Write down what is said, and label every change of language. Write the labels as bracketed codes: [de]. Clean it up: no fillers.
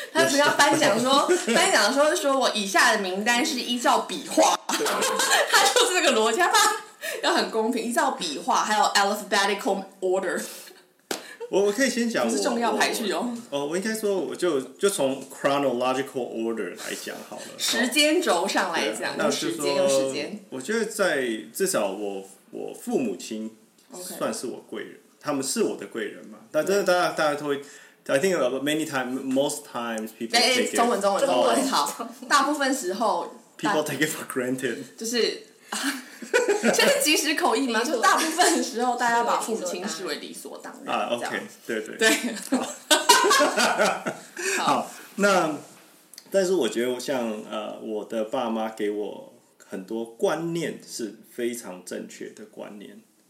[zh] 他只要颁奖说颁奖说是说我以下的名单是依照笔画，他就是这个逻辑，他要很公平，依照笔画还有 [en] alphabetical order。 [zh] 我可以先讲，不是重要排序哦。我应该说，我就从 [en] chronological order [zh] 来讲好了，时间轴上来讲，那时间有时间。我觉得在至少我父母亲算是我贵人。 [en] Okay. [zh] 他们是我的贵人嘛？但真的，大家都会 [en] ，I think many times, most times people take it. [zh] 中文好，大部分时候 [en] people take it for granted. [zh] 就是，这是即时口译吗？就大部分时候，大家把父母亲视为理所当然。啊 ，OK， 对对对。好，那但是我觉得像我的爸妈给我很多观念是非常正确的观念。